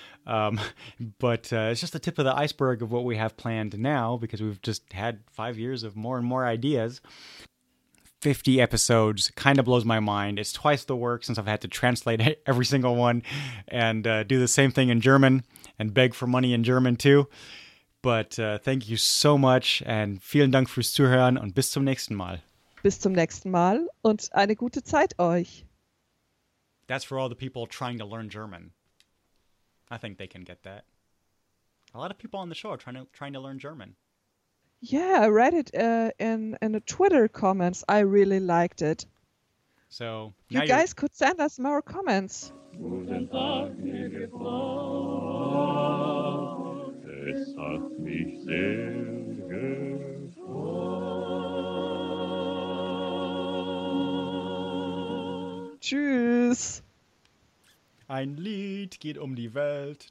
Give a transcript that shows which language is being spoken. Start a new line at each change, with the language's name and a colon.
English: But it's just the tip of the iceberg of what we have planned now, because we've just had 5 years of more and more ideas. 50 episodes kind of blows my mind. It's twice the work since I've had to translate every single one and do the same thing in German and beg for money in German too. But thank you so much
German: and vielen Dank fürs Zuhören und bis zum nächsten Mal. Bis zum nächsten Mal und eine gute Zeit euch.
English: That's for all the people trying to learn German. I think they can get that. A lot of people on the show are trying to learn German. Yeah, I read it in the Twitter comments. I really liked it. So you guys could send us more comments.
German: Es hat mich sehr gefreut. Tschüss. Ein Lied geht die Welt.